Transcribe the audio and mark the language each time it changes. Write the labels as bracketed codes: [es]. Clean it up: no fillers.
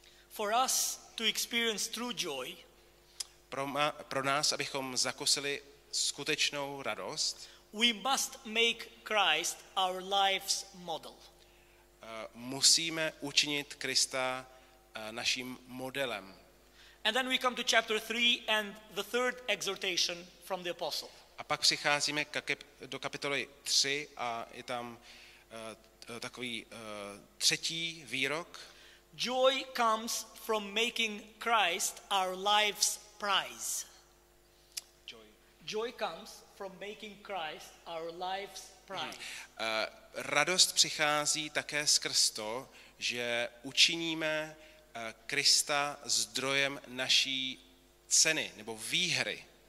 [en] For us to experience true joy. [cs] Pro nás, abychom zakusili skutečnou radost. [en] We must make Christ our life's model. [cs] Musíme učinit Krista naším modelem. [en] And then we come to chapter 3 and the third exhortation from the apostle. [cs] A pak přicházíme do kapitoly 3 a je tam takový třetí výrok. [en] Joy comes from making Christ our life's prize. Joy. Joy comes from making Christ our life's prize. [cs] Radost přichází také skrz to, že učiníme Krista zdrojem naší ceny nebo výhry.